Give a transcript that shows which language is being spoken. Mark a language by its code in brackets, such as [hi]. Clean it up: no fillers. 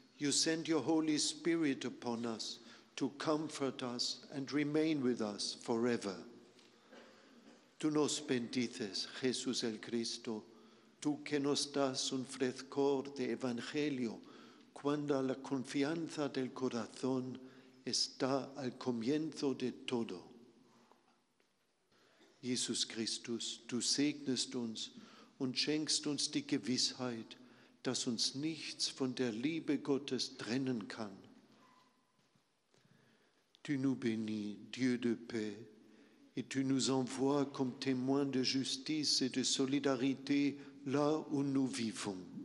[en] You send your Holy Spirit upon us to comfort us and remain with us forever. [es] Tú nos bendices, Jesús el Cristo, tú que nos das un frescor de evangelio cuando la confianza del corazón está al comienzo de todo. [de] Jesus Christus, du segnest uns und schenkst uns die Gewissheit, dass uns nichts von der Liebe Gottes trennen kann. [fr] Tu nous bénis, Dieu de paix, et tu nous envoies comme témoin de justice et de solidarité là où nous vivons.